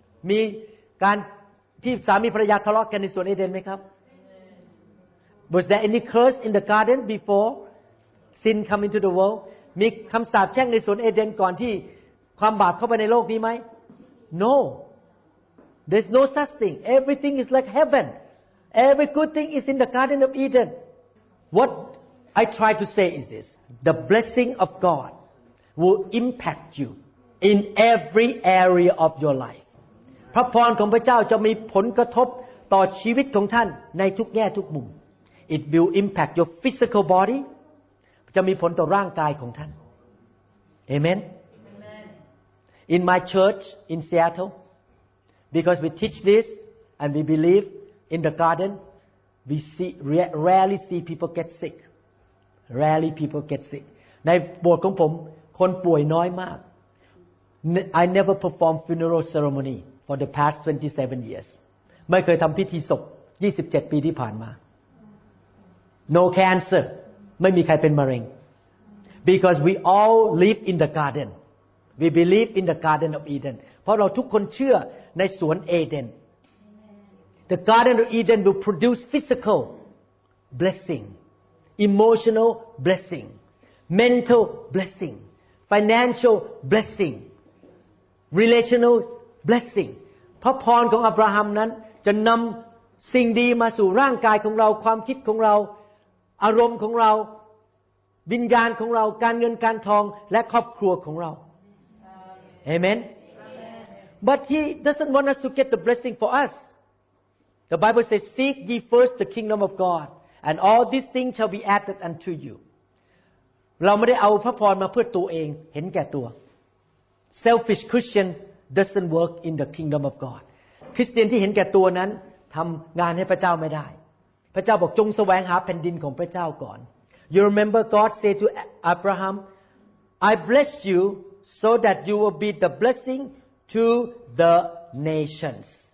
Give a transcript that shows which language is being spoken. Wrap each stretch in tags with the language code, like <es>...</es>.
<th>มีการที่สามีภรรยาทะเลาะกันในสวนเอเดนไหมครับ</th> <en>Was there any curse in the garden before sin come into the world?</en> <th>มีคำสาปแช่งในสวนเอเดนก่อนที่ความบาปเข้าไปในโลกนี้ไหม</th> <en>No. There's no such thing. Everything is like heaven. Every good thing is in the Garden of Eden. What I try to say is this. The blessing of God will impact you in every area of your life.</en> <th>พระพรของพระเจ้าจะมีผลกระทบต่อชีวิตของท่านในทุกแง่ทุกมุม</th> <en>It will impact your physical body.</en> <th>จะมีผลต่อร่างกายของท่าน Amen.</th> <en>In my church in Seattle, because we teach this and we believe in the garden,We see rarely see people get sick. Rarely people get sick.</en> <th>ในโบสถ์ของผมคนป่วยน้อยมาก</th> <en>I never perform funeral ceremony for the past 27 years.</en> <th>ไม่เคยทำพิธีศพ27ปีที่ผ่านมา</th> <en>No cancer.</en> <th>ไม่มีใครเป็นมะเร็ง</th> <en>Because we all live in the garden. We believe in the Garden of Eden.</en> <th>เพราะเราทุกคนเชื่อในสวนเอเดน</th> <en>The Garden of Eden will produce physical blessing, emotional blessing, mental blessing, financial blessing, relational blessing.</en> <th>พระพรของอับราฮัมนั้นจะนำสิ่งดีมาสู่ร่างกายของเราความคิดของเราอารมณ์ของเราวิญญาณของเราการเงินการทองและครอบครัวของเรา Amen.</th> <en>But he doesn't want us to get the blessing for us. The Bible says, "Seek ye first the kingdom of God, and all these things shall be added unto you."</en> <th>เราไม่ได้เอาพระพรมาเพื่อตัวเองเห็นแก่ตัว</th> <en>Selfish Christian doesn't work in the kingdom of God.</en> <th>คริสเตียนที่เห็นแก่ตัวนั้นทำงานให้พระเจ้าไม่ได้พระเจ้าบอกจงแสวงหาแผ่นดินของพระเจ้าก่อน</th> <en>You remember God said to Abraham, "I bless you so that you will be the blessing to the nations."</en>